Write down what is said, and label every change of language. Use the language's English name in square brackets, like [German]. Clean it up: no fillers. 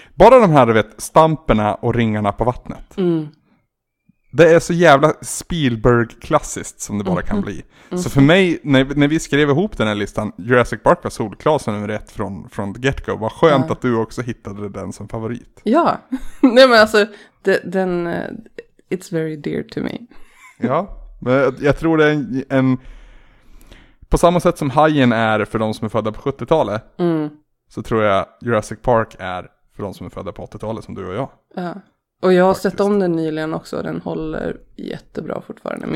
[Swedish] Bara de här, du vet, stamperna och ringarna på vattnet. Mm. Det är så jävla Spielberg-klassiskt som det bara kan bli. Mm. Så för mig, när vi skrev ihop den här listan, Jurassic Park var solklasen nummer ett från get-go. Vad skönt att du också hittade den som favorit. Ja, nej men alltså, den, [English] it's very dear to me. [Swedish] Ja, men jag tror det är en på samma sätt som Hajen är för de som är födda på 70-talet, så tror jag Jurassic Park är för de som är födda på 80-talet som du och jag. Ja. Och jag har faktiskt sett om den nyligen också. Den håller jättebra fortfarande.